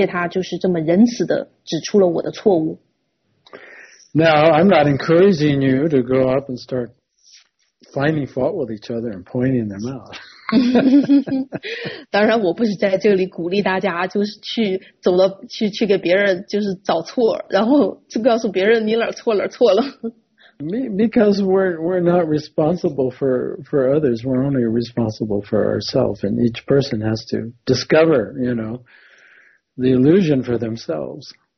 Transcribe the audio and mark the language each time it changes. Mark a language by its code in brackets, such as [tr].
[zh] 所以说任何时候，后来只要我想到这个事件，我就会对这个奉献者有很这种心怀感恩之情。我感谢他，就是这么仁慈的指出了我的错误。 [en] Now, I'm not encouraging you to go up and start finding fault with each other and pointing them out. [zh] 当然，我不是在这里鼓励大家，就是去走了，去给别人就是找错，然后就告诉别人你哪错了，错了。 [en] Because we're not responsible for others, we're only responsible for ourselves, and each person has to discover, you know, the illusion for themselves.